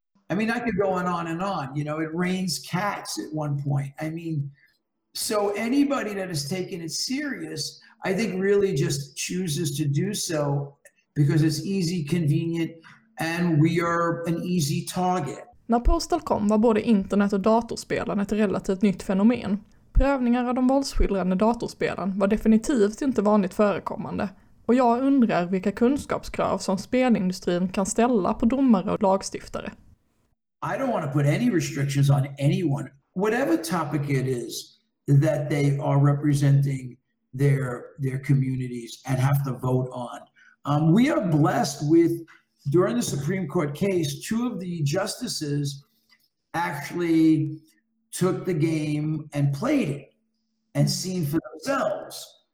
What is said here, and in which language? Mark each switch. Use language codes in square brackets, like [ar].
[en] I mean, I could go on and on. You know, it rains cats at one point. I mean, so anybody that has taken it serious, I think really just chooses to do so because it's easy, convenient, and we are an easy target. [sv] När Postal kom var både internet och datorspelen ett relativt nytt fenomen. Prövningar av de våldsskildrande datorspelen var definitivt inte vanligt förekommande. Och jag undrar vilka kunskapskrav som spelindustrin kan ställa på domare och lagstiftare. [en] I don't want to put any restrictions on anyone. Whatever topic it is that they are representing their communities and have to vote on. We are blessed with, during the Supreme Court case, two of the justices actually took the game and played it and seen for themselves.